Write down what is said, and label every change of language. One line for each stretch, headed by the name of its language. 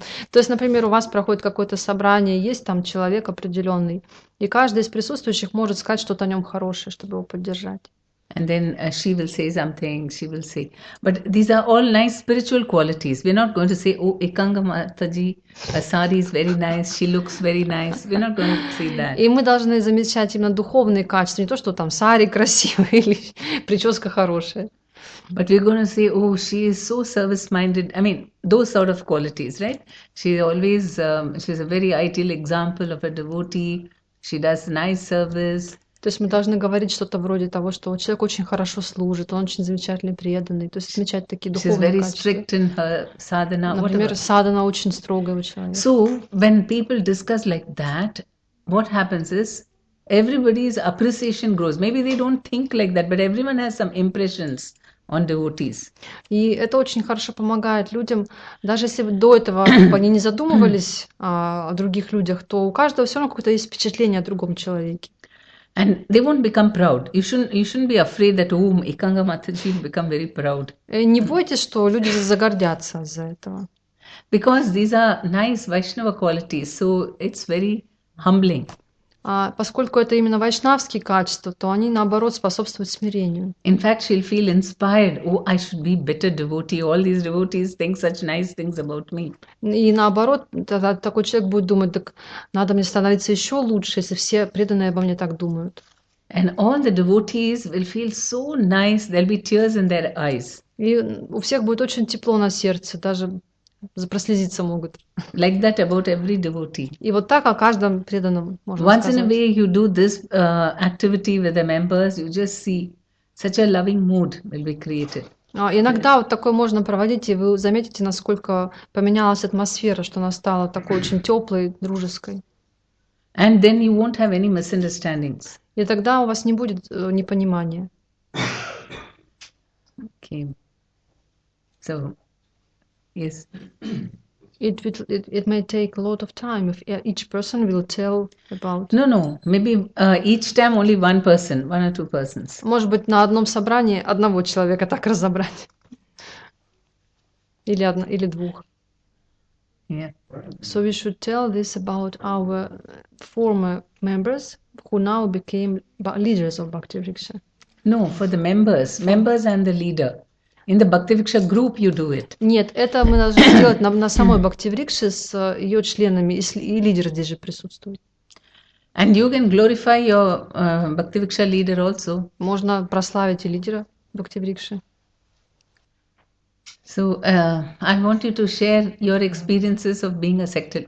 Russian: То есть, например, у вас проходит какое-то собрание, есть там человек определенный, и каждый из присутствующих может сказать что-то о нем хорошее, чтобы его поддержать.
English: And then she will say something, she will say. But these are all nice spiritual qualities. We're not going to say, oh, Ekanga Mataji, her sari is very nice, she looks very nice. We're not going to say that.
Russian: И мы должны замечать именно духовные качества, не то, что там сари красивые или прическа хорошая.
English: But we're going to say, oh, she is so service-minded. I mean, those sort of qualities, right? She always, she's a very ideal example of a devotee. She does nice service.
Russian: То есть мы должны говорить что-то вроде того, что человек очень хорошо служит, он очень замечательный, преданный. То есть отмечать такие
English: She's
Russian: духовные
English: very
Russian: качества.
English: Strict in her sadhana,
Russian: Например,
English: whatever.
Russian: Садхана очень строгая у человека.
English: So, when people discuss like that, what happens is everybody's appreciation grows. Maybe they don't think like that, but everyone has some impressions on devotees.
Russian: И это очень хорошо помогает людям. Даже если до этого они не задумывались о других людях, то у каждого все равно какое-то есть впечатление о другом человеке.
English: And they won't become proud. You shouldn't be afraid that oh, Ekanga Mataji will become very proud.
Russian: Не бойтесь, что люди загордятся из-за этого.
English: Because these are nice Vaishnava qualities, so it's very humbling.
Russian: Поскольку это именно вайшнавские качества, то они наоборот способствуют смирению.
English: In fact, she'll feel inspired. Oh, I should be better devotee. All these devotees think such nice things about me.
Russian: И наоборот, тогда такой человек будет думать, так надо мне становиться еще лучше, если все преданные обо мне так думают.
English: And all the devotees will feel so nice. There'll be tears in their eyes.
Russian: И у всех будет очень тепло на сердце, даже проследиться могут.
English: Like that about every devotee.
Russian: И вот так о каждом преданном можно
English: Once
Russian: сказать.
English: Once in a way you do this activity with the members, you just see such a loving mood will be created.
Russian: Иногда вот такое можно проводить, и вы заметите, насколько поменялась атмосфера, что она стала такой очень теплой, дружеской.
English: And then you won't have any misunderstandings.
Russian: И тогда у вас не будет непонимания.
English: Okay. So... Yes. It may take a lot of time if each person will tell about. No, no. Maybe each time only one person, one or two persons.
Russian: Может быть, на одном собрании одного человека так разобрать. Или одно, или двух.
English: Yeah. So we should tell this about our former members who now became leaders of Bhakti Riksha. No, for the members. Members and the leader. In the Bhaktivriksha group you do it.
Russian: Нет, это мы должны сделать на самой Бхактивриксе с ее членами, и лидер здесь же присутствует.
English: And you can glorify your Bhaktivriksha leader also.
Russian: Можно прославить и лидера Бхактивриксе.
English: So, I want you to share your experiences of being a sector.